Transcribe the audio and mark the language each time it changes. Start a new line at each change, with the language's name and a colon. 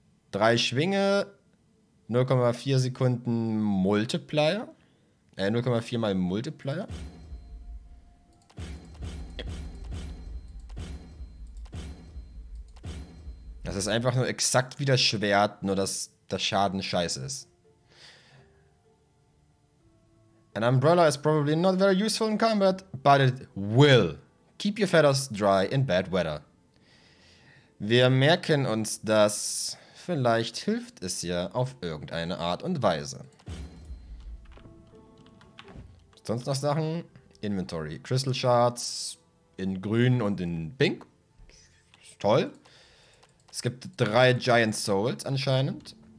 German: Drei Schwinge, 0,4 Sekunden Multiplier. 0,4 mal Multiplier. Das ist einfach nur exakt wie das Schwert, nur dass der Schaden scheiße ist.
English: An umbrella is probably not very useful in combat, but it will keep your feathers dry in bad weather.
German: Wir merken uns das. Vielleicht hilft es ja auf irgendeine Art und Weise. Sonst noch Sachen? Inventory. Crystal Shards in grün und in pink. Toll. Es gibt drei Giant Souls anscheinend.